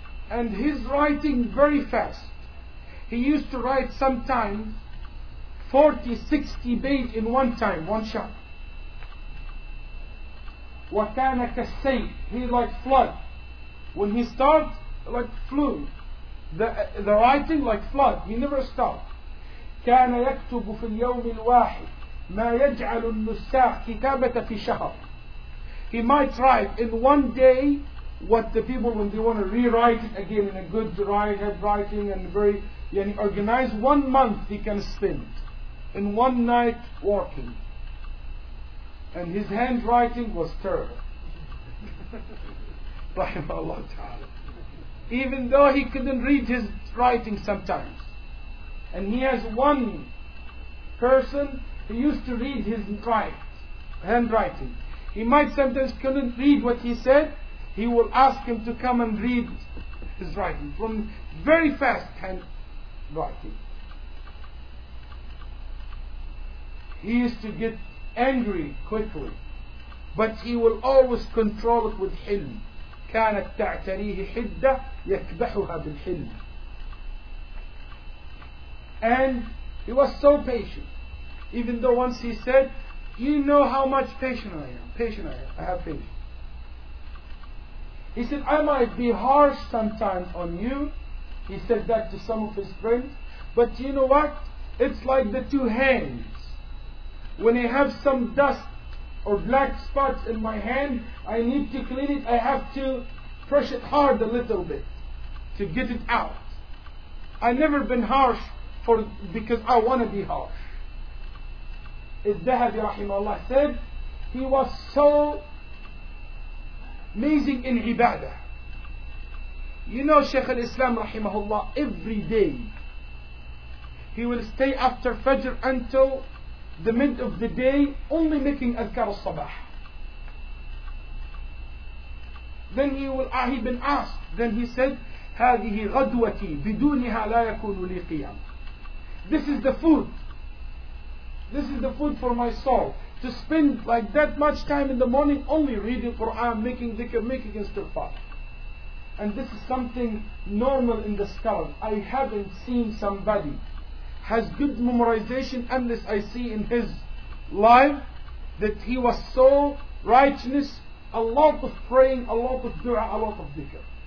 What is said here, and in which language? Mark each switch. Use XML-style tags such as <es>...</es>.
<en>And he's writing very fast. He used to write sometimes 40, 60 pages in one time, one shot.</en> <ar>وَكَانَ كَالسَّيْءِ.</ar> <en>He like flood. When he starts, like flu, the writing like flood. He never stopped.</en> <ar>كان يكتب في اليوم الواحد ما يجعل النساخ كتابة في شهر.</ar> <en>He might write in one day what the people, when they want to rewrite it again in a good handwriting and very, yani, organized, 1 month he can spend in one night working. And his handwriting was terrible. Rahimahullah ta'ala. Even though he couldn't read his writing sometimes. And he has one person who used to read his handwriting. He might sometimes couldn't read what he said, he will ask him to come and read his writing from very fast handwriting. He used to get angry quickly, but he will always control it with ilm.</en> <ar>كانت تعتريه حدة يكبحها بالحلم.</ar> <en>And he was so patient. Even though once he said, you know how much patient I am. I have patience. He said, I might be harsh sometimes on you. He said that to some of his friends. But you know what? It's like the two hands. When you have some dust or black spots in my hand, I need to clean it. I have to press it hard a little bit to get it out. I've never been harsh because I want to be harsh. Al-Dhahabi rahimahullah said he was so amazing in ibadah. You know, Shaykh al-Islam rahimahullah, every day he will stay after Fajr until the mid of the day, only making adhkar al-sabah. Then he been asked.</en> <ar>Then he said, هذه غدوتي بدونها لا يكون لي قيام.</ar> <en>This is the food. This is the food for my soul. To spend like that much time in the morning only reading Quran, making dhikr, making istighfar. and this is something normal in the scholar. I haven't seen somebody has good memorization unless I see in his life that he was so righteous, a lot of praying, a lot of dua, a lot of dhikr.</en>